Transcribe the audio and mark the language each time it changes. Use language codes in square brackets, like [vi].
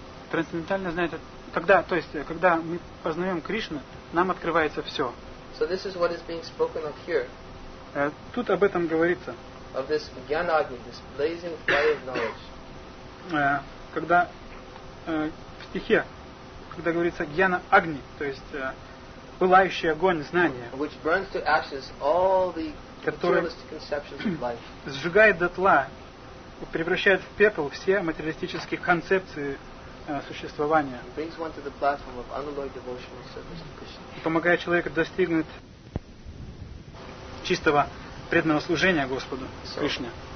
[ru] Трансцендентальное знание, когда, то есть, когда мы познаем Кришну, нам открывается все. [en] So this is what is being spoken of here. [ru] Тут об этом говорится. [en] Of this Gyanagni, this blazing fire of knowledge. [ru] Когда в стихе, когда говорится Гьяна Агни, то есть пылающий огонь знания, [en] which burns to ashes all the materialistic conceptions of life. [ru] Сжигает дотла, превращает в пепел все материалистические концепции существования. [en] Brings one to the platform of unalloyed devotional service to Krishna. [ru] Помогая человеку достигнуть чистого преданного служения Господу Кришне.